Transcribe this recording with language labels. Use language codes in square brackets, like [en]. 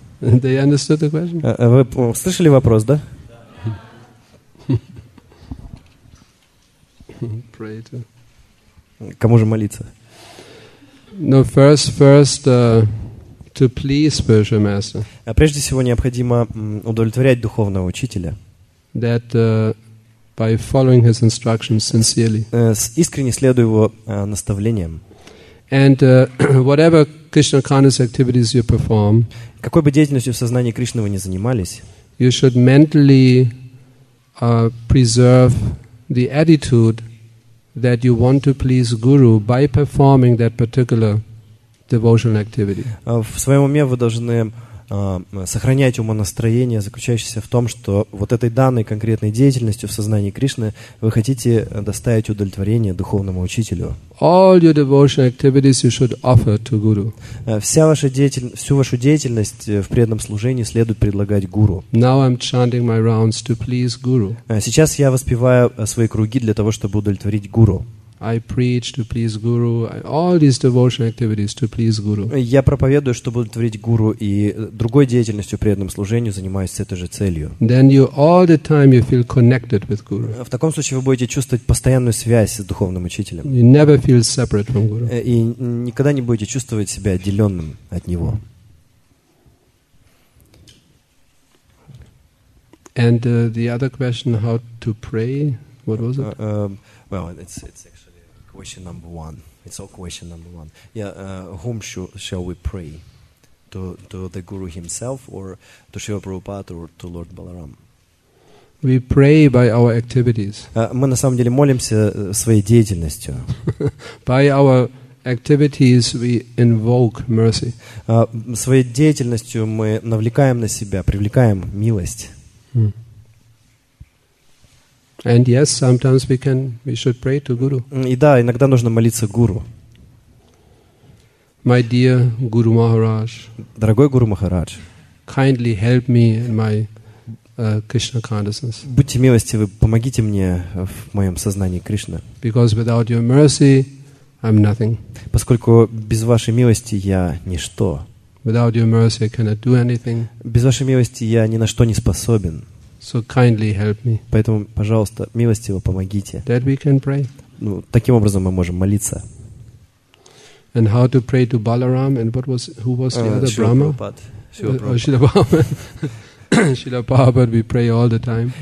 [en] They understood the question? [ru] Вы слышали вопрос, да? [en] Pray to. [ru] Кому же молиться? [en] No, first to please spiritual master. [ru] А прежде всего необходимо удовлетворять духовного учителя. [en] That by following his instructions sincerely. [ru] Искренне следуя его наставлениям. [en] And whatever Krishna consciousness activities you perform. [ru] Какой бы деятельностью в сознании Кришны вы ни занимались. [en] You should mentally preserve the attitude that you want to please guru by performing that particular devotional activity. [ru] В своем уме вы должны сохранять умонастроение, заключающееся в том, что вот этой данной конкретной деятельностью в сознании Кришны вы хотите доставить удовлетворение духовному учителю. [en] All your devotional activities you should offer to guru. [ru] Всю вашу деятельность в преданном служении следует предлагать гуру. [en] Now I'm chanting my rounds to please guru. [ru] Сейчас я воспеваю свои круги для того, чтобы удовлетворить гуру. [en] I preach to please Guru. All these devotional activities to please Guru. [ru] Я проповедую, чтобы удовлетворить Гуру, и другой деятельностью, преданным служению, занимаюсь с этой же целью. [en] Then you all the time you feel connected with Guru. [ru] В таком случае вы будете чувствовать постоянную связь с духовным учителем. [en] You never feel separate from Guru. [ru] И никогда не будете чувствовать себя отделенным от него. [en] And the other question, how to pray? What was it? Well, it's actually question number one. It's all question number one. Yeah, whom shall we pray? To the Guru himself, or to Śrīla Prabhupāda, or to Lord Balarama? We pray by our activities. [ru] Мы на самом деле молимся своей деятельностью. [en] By our activities, we invoke mercy. [ru] Своей деятельностью мы навлекаем на себя, привлекаем милость. [en] And yes, sometimes we should pray to Guru. [ru] И да, иногда нужно молиться Гуру. [en] My dear Guru Maharaj. [ru] Дорогой Гуру Махарадж. [en] Kindly help me in my Krishna consciousness. [ru] Будьте милостивы, помогите мне в моем сознании Кришны. [en] Because without your mercy, I'm nothing. [ru] Поскольку без вашей милости я ничто. [en] Without your mercy, I cannot do anything. [ru] Без вашей милости я ни на что не способен. [en] So kindly help me. [ru] Поэтому, пожалуйста, милостиво помогите. [en] That we can pray. [ru] Ну, таким образом мы можем молиться. [en] And how to pray to Balaram? And what was who was the other Brahma? Śrīla Prabhupāda. Śrīla Prabhupāda, we pray all the time.